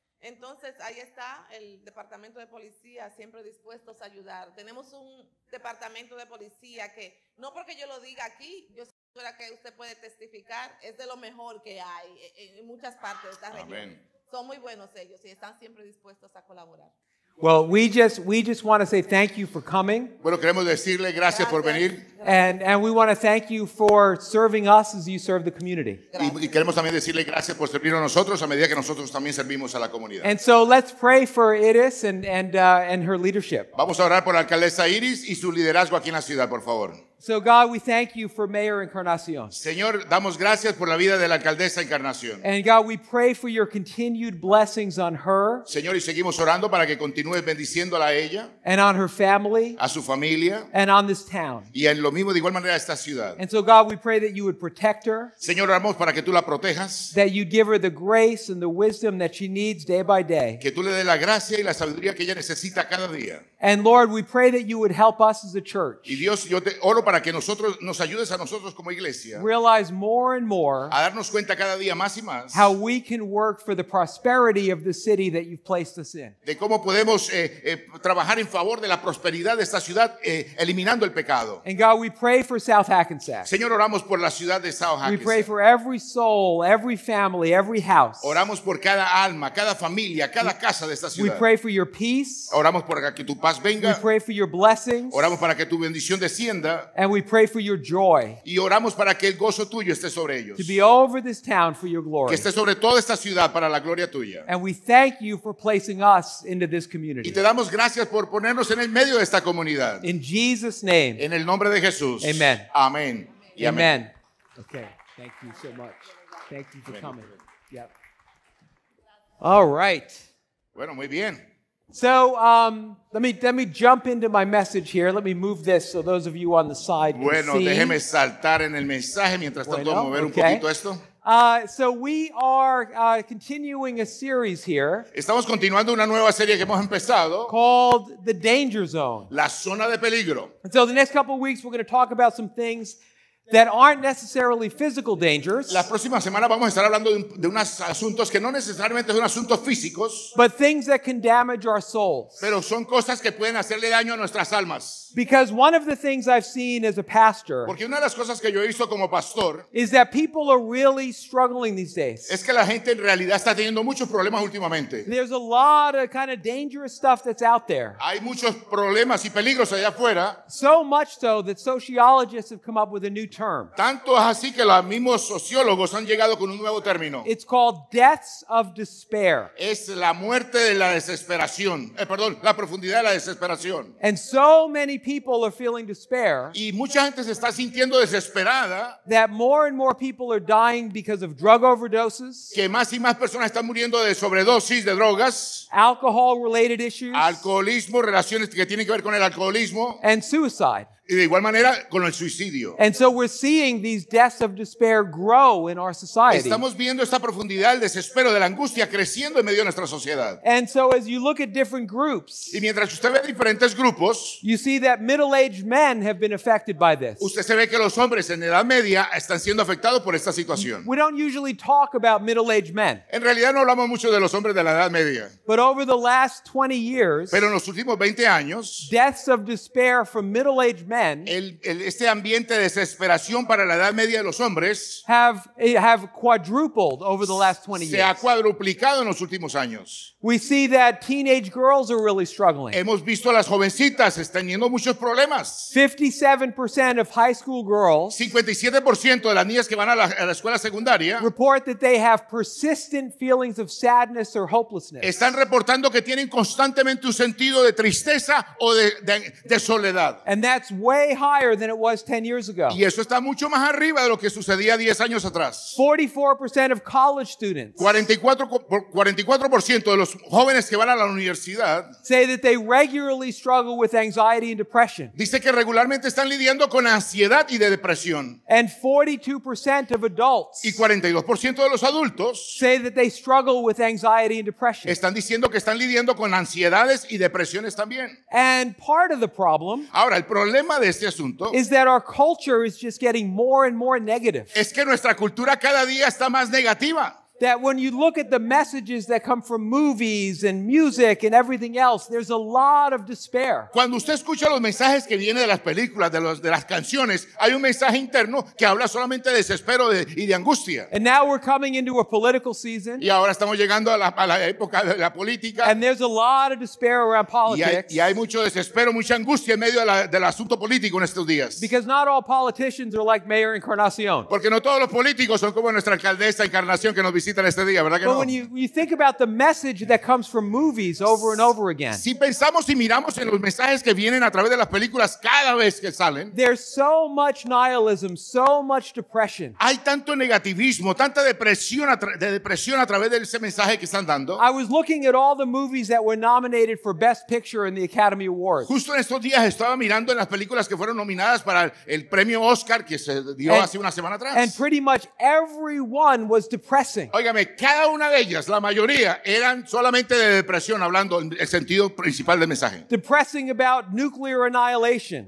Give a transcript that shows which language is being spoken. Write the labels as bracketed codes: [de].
[es] Entonces, ahí está el departamento de policía, siempre dispuestos a ayudar. Tenemos un departamento de policía que, no porque yo lo diga aquí, yo sé que usted puede testificar, es de lo mejor que hay en muchas partes de esta región. Amén. Son muy buenos ellos y están siempre dispuestos a colaborar. [en] Well, we just want to say thank you for coming. [es] Bueno, queremos decirle gracias, gracias por venir. [en] And we want to thank you for serving us as you serve the community. [es] Y queremos también decirle gracias por servir a nosotros a medida que nosotros también servimos a la comunidad. [en] And so let's pray for Iris and her leadership. [es] Vamos a orar por la alcaldesa Iris y su liderazgo aquí en la ciudad, por favor. [en] So God, we thank you for Mayor Encarnación. [es] Señor, damos gracias por la vida de la alcaldesa Encarnación. [en] And God, we pray for your continued blessings on her. [es] Señor, y seguimos orando para que continúes bendiciéndola a ella. [en] And on her family. [es] A su familia. [en] And on this town. [es] Y en lo mismo, de igual manera, a esta ciudad. [en] And so God, we pray that you would protect her. [es] Señor, oramos para que tú la protejas. [en] That you give her the grace and the wisdom that she needs day by day. [es] Que tú le des la gracia y la sabiduría que ella necesita cada día. [en] And Lord, we pray that you would help us as a church. [es] Y Dios, yo te oro para que nosotros nos ayudes a nosotros como iglesia. [en] Realize more and more. [es] A darnos cuenta cada día más y más. [en] How we can work for the prosperity of the city that you've placed us in. [es] De cómo podemos trabajar en favor de la prosperidad de esta ciudad eliminando el pecado. [en] And God, we pray for South Hackensack. [es] Señor, oramos por la ciudad de South Hackensack. [en] We pray for every soul, every family, every house. [es] Oramos por cada alma, cada familia, cada casa de esta ciudad. [en] We pray for your peace. [es] Oramos por que tu paz venga. [en] We pray for your blessings. [es] Oramos para que tu bendición descienda. [en] And we pray for your joy. [es] Y oramos para que el gozo tuyo esté sobre ellos. [en] To be over this town for your glory. [es] Que esté sobre toda esta ciudad para la gloria tuya. [en] And we thank you for placing us into this community. [es] Y te damos gracias por ponernos en el medio de esta comunidad. [en] In Jesus' name. [es] En el nombre de Jesús. [en] Amen. [es] Amén. Y amén. [en] Amen. Okay. Thank you so much. Thank you for coming. Yep. All right. [es] Bueno, muy bien. [en] So let me jump into my message here. Let me move this so those of you on the side can [es] bueno, [en] see. [es] Bueno, déjeme saltar en el mensaje mientras tanto bueno, mover okay. un poquito esto. [en] So we are continuing a series here. [es] Estamos continuando una nueva serie que hemos empezado. [en] Called The Danger Zone. [es] La zona de peligro. [en] And so the next couple of weeks we're going to talk about some things that aren't necessarily physical dangers. [es] La próxima semana vamos a estar hablando de unos asuntos que no necesariamente son asuntos físicos. [en] But things that can damage our souls. [es] Pero son cosas que pueden hacerle daño a nuestras almas. [en] Because one of the things I've seen as a pastor. [es] Porque una de las cosas que yo he visto como pastor. [en] Is that people are really struggling these days. [es] Es que la gente en realidad está teniendo muchos problemas últimamente. [en] There's a lot of kind of dangerous stuff that's out there. [es] Hay muchos problemas y peligros allá afuera. [en] So much so that sociologists have come up with a new term. [es] Tanto es así que los mismos sociólogos han llegado con un nuevo término. [en] It's called deaths of despair. [es] Es la muerte de la desesperación. Perdón, la profundidad de la desesperación. [en] And so many people are feeling despair. [es] Y mucha gente se está sintiendo desesperada. [en] That more and more people are dying because of drug overdoses. [es] Que más y más personas están muriendo de sobredosis de drogas. [en] Alcohol-related issues. [es] Alcoholismo, relaciones que tienen que ver con el alcoholismo. [en] And suicide. [es] Y de igual manera con el suicidio. [en] And so we're seeing these deaths of despair grow in our society. [es] Estamos viendo esta profundidad del desespero, de la angustia creciendo en medio de nuestra sociedad. [en] And so as you look at different groups, [es] y mientras usted ve diferentes grupos, [en] you see that middle-aged men have been affected by this. [es] Usted se ve que los hombres en edad media están siendo afectados por esta situación. [en] We don't usually talk about middle-aged men. [es] En realidad no hablamos mucho de los hombres de la edad media. [en] But over the last 20 years, [es] pero en los últimos 20 años, [en] deaths of despair from middle-aged men, [es] este ambiente de desesperación para la edad media de los hombres, [en] have quadrupled over the last 20 years. [es] Se ha cuadruplicado en los últimos años. [en] We see that teenage girls are really struggling. [es] Hemos visto a las jovencitas teniendo muchos problemas. [en] 57% of high school girls, [es] 57% de las niñas que van a la escuela secundaria, [en] report that they have persistent feelings of sadness or hopelessness. [es] Están reportando que tienen constantemente un sentido de tristeza o de soledad. [en] And that's way higher than it was 10 years ago. [es] Y eso está mucho más arriba de lo que sucedía 10 años atrás. [en] 44% of college students, [es] 44% de los jóvenes que van a la universidad, [en] say that they regularly struggle with anxiety and depression. [es] Dice que regularmente están lidiando con ansiedad y de depresión. [en] And 42% of adults, [es] y 42% de los adultos, [en] say that they struggle with anxiety and depression. [es] Están diciendo que están lidiando con ansiedades y depresiones también. [en] And part of the problem, [es] ahora el problema de este asunto, [en] is that our culture is just getting more and more negative. [es] Es que nuestra cultura cada día está más negativa. [en] That when you look at the messages that come from movies and music and everything else, there's a lot of despair. [es] Cuando usted escucha los mensajes que vienen de las películas, de las canciones, hay un mensaje interno que habla solamente de desespero y de angustia. [en] And now we're coming into a political season. [es] Y ahora estamos llegando a la época de la política. [en] And there's a lot of despair around politics. [es] Y hay mucho desespero, mucha angustia en medio del asunto político en estos días. [en] Because not all politicians are like Mayor Encarnacion. [es] Porque no todos los políticos son como nuestra alcaldesa Encarnación que nos este día, ¿verdad que [en] but [es] no? [en] When you think about the message that comes from movies over and over again, [es] si pensamos y miramos en los mensajes que vienen a través de las películas cada vez que salen, [en] there's so much nihilism, so much depression. [es] Hay tanto negativismo, tanta depresión a través de ese mensaje que están dando. [en] I was looking at all the movies that were nominated for Best Picture in the Academy Awards. [es] Justo en estos días estaba mirando en las películas que fueron nominadas para el premio Oscar que se dio hace una semana atrás. [en] And pretty much everyone was depressed. [es] Óigame, cada una de ellas, la mayoría, eran solamente de depresión, hablando en el sentido principal del mensaje. [en] Depressing about nuclear annihilation.